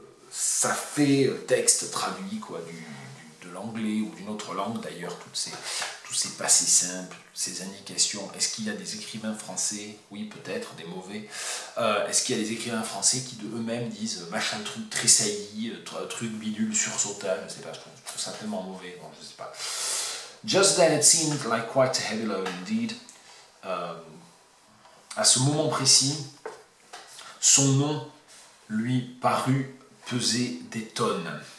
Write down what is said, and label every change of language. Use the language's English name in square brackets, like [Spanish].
[French] Ça fait texte traduit, quoi, de l'anglais ou d'une autre langue, d'ailleurs, tous ces passés simples. Ces indications, est-ce qu'il y a des écrivains français, oui peut-être, des mauvais, est-ce qu'il y a des écrivains français qui de eux-mêmes disent machin truc tressaillit, truc bidule sursauta, je ne sais pas, je trouve tout simplement mauvais, bon, je ne sais pas. [English] Just then it seemed like quite a heavy load indeed. [French] À ce moment précis, son nom lui parut peser des tonnes.